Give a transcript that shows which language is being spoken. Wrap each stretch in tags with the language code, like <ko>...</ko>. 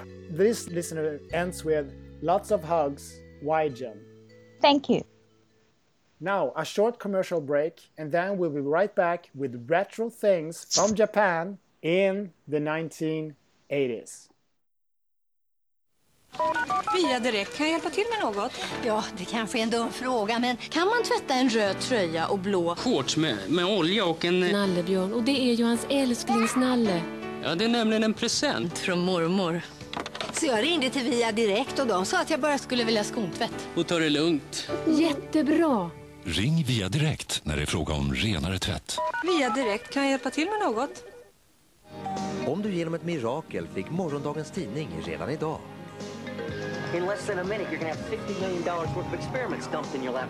<en>This listener ends with lots of hugs, Y-Gen. Thank you. Now, a short commercial break, and then we'll be right back with retro things from Japan in the 1980s.</en> <sv>Via Direkt, kan jag hjälpa till med något? Ja, det kanske är en dum fråga, men kan man tvätta en röd tröja och blå shorts med olja och en nallebjörn? Och det är ju hans älsklingsnalle. Ja, det är nämligen en present från mormor. Så jag ringde till Via Direkt och de sa att jag bara skulle vilja skontvätt. Och ta det lugnt. Jättebra. Ring Via Direkt när det är fråga om renare tvätt. Via Direkt, kan jag hjälpa till med något? Om du genom ett mirakel fick morgondagens tidning redan idag.</sv> <en>In less than a minute you're gonna have $50 million worth of experiments dumped in your lap.</en>